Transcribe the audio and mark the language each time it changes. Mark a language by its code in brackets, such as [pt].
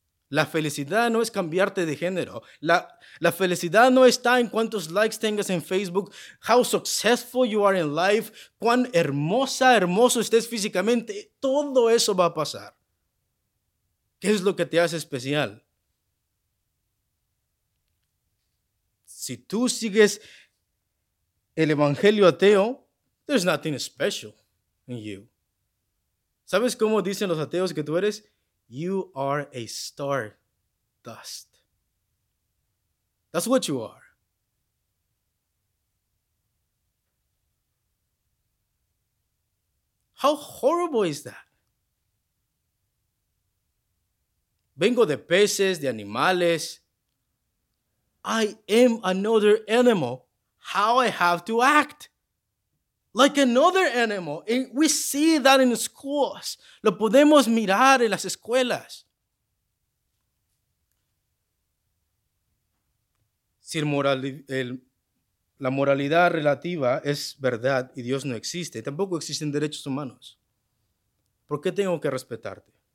[es] La felicidad no es cambiarte de género. La felicidad no está en cuántos likes tengas en Facebook, [en] how successful you are in life, [es] cuán hermoso estés físicamente. Todo eso va a pasar. ¿Qué es lo que te hace especial? Si tú sigues el evangelio ateo, [en] there's nothing special in you. [es] ¿Sabes cómo dicen los ateos que tú eres? [en] You are a star dust. That's what you are. How horrible is that? [es] Vengo de peces, de animales. [en] I am another animal. How I have to act like another animal. And we see that in schools. [es] Lo podemos mirar en las escuelas. Si la moralidad relativa es verdad y Dios no existe, tampoco existen derechos humanos. ¿Por qué tengo que respetarte?